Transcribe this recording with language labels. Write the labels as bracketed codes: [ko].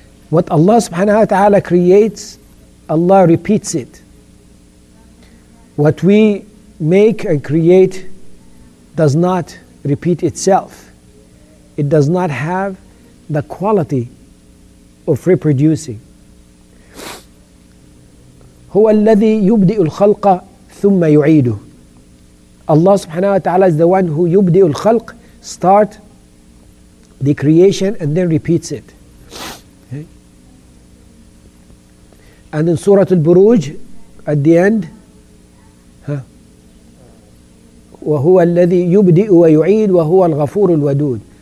[en] What Allah subhanahu wa ta'ala creates, Allah repeats it. What we make and create does not repeat itself. It does not have the quality of reproducing. [ar] هو الذي يبدئ الخلق ثم يعيده. [en] Allah subhanahu wa ta'ala is the one who [ar] يبدئ الخلق, [en] start the creation and then repeats it. Okay. And in Surah Al-Buruj, at the end, [ar] وهو الذي يبدئ ويعيد وهو الغفور الودود.